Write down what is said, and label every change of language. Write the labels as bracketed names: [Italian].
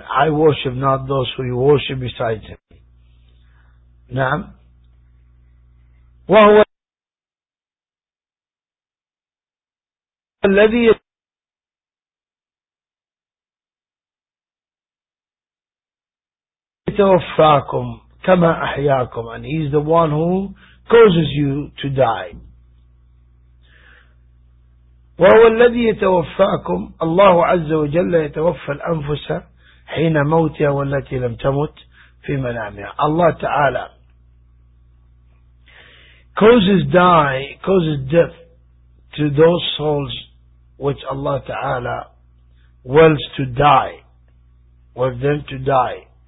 [English] I worship not those who you worship beside him. [Arabic] نعم. وهو الذي يتوفاكم كما أحياكم. [English] And he is the one who causes you to die. [Arabic] وهو الذي يتوفاكم الله عز وجل يتوفى الأنفس حين موتها والتي لم تمت في منامها. [English] الله تعالى causes death to those souls which Allah تعالى wills to die, wills them to die.